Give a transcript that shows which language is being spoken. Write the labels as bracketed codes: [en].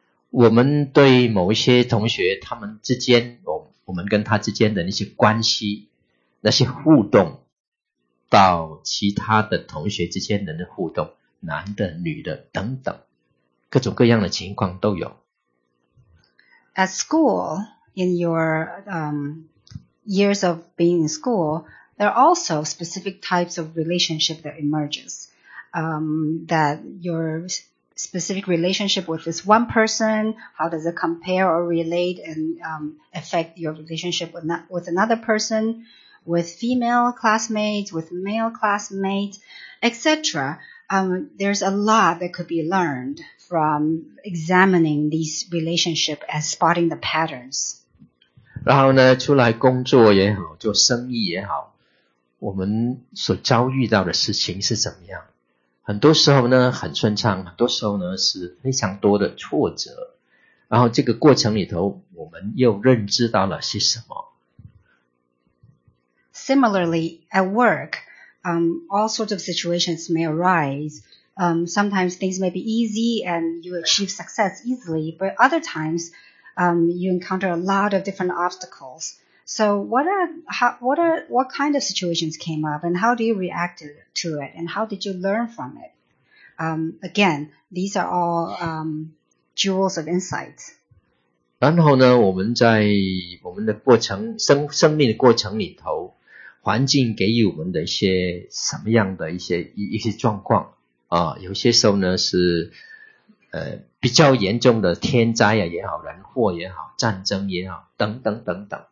[zh] 我们对某一些同学他们之间，我们跟他之间的那些关系，那些互动，到其他的同学之间人的互动，男的女的等等，各种各样的情况都有。 [en] At school, in your years of being in school, there are also specific types of relationship that emerges, that your specific relationship with this one person, how does it compare or relate and affect your relationship with another person, with female classmates, with male classmates, etc. There's a lot that could be learned from examining these relationships and spotting the patterns. [zh] 然后呢，出来工作也好，做生意也好，我们所遭遇到的事情是怎么样？很多时候呢很顺畅，很多时候呢是非常多的挫折，然后这个过程里头我们又认知到了些什么。 [en] Similarly, at work, all sorts of situations may arise. Sometimes things may be easy and you achieve success easily, but other times, you encounter a lot of different obstacles. So what kind of situations came up and how do you react to it and how did you learn from it? Again, these are all jewels of insight. [zh] 然后呢，我们在我们的过程生命的过程里头，环境给予我们的一些什么样的一些状况啊？有些时候呢是比较严重的天灾啊也好，人祸也好，战争也好，等等等等。